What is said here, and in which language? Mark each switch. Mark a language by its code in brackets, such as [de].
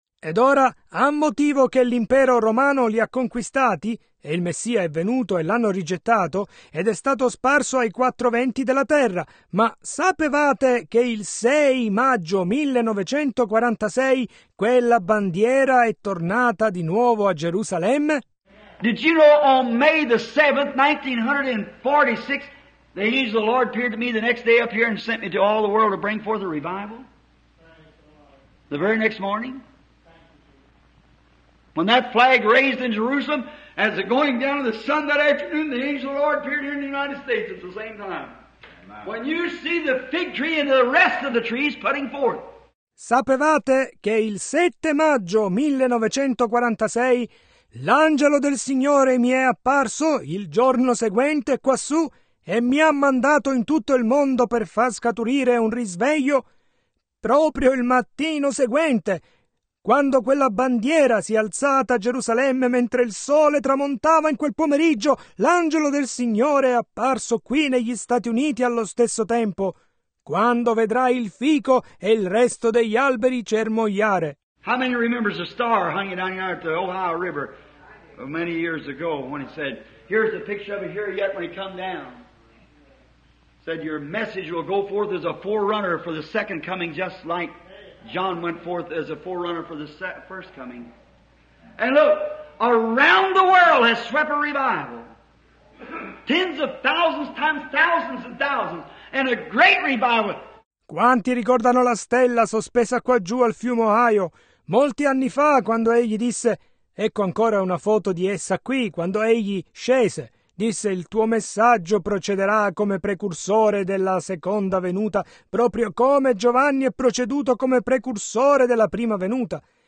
[it] Ed ora, a motivo che l'impero romano li ha conquistati, e il Messia è venuto e l'hanno rigettato, ed è stato sparso ai quattro venti della terra, ma sapevate che il 6 maggio 1946 quella bandiera è tornata di nuovo a Gerusalemme? [en] Did you know on May the 7th, 1946, the angel of the Lord appeared to me the next day up here and sent me to all the world to bring forth a revival? The very next morning? When that flag raised in Jerusalem, as it going down to the sun that afternoon, the angel of the Lord appeared here in the United States at the same time. When you see the fig tree and the rest of the trees putting forth. [it] Sapevate che il 7 maggio 1946 l'angelo del Signore mi è apparso il giorno seguente quassù e mi ha mandato in tutto il mondo per far scaturire un risveglio proprio il mattino seguente, quando quella bandiera si è alzata a Gerusalemme mentre il sole tramontava in quel pomeriggio, l'angelo del Signore è apparso qui negli Stati Uniti allo stesso tempo, quando vedrai il fico e il resto degli alberi germogliare. [en] How many remembers a star hanging down here at the Ohio River many years ago when he said, here's the picture of it here yet when he come down. Said, your message will go forth as a forerunner for the second coming just like John went forth as a forerunner for the first coming. And look, around the world has swept a revival. Tens of thousands times thousands and thousands. And a great revival. [it] Quanti ricordano la stella sospesa qua giù al fiume Ohio? Molti anni fa, quando egli disse, ecco ancora una foto di essa qui, quando egli scese, disse, il tuo messaggio procederà come precursore della seconda venuta, proprio come Giovanni è proceduto come precursore della prima venuta.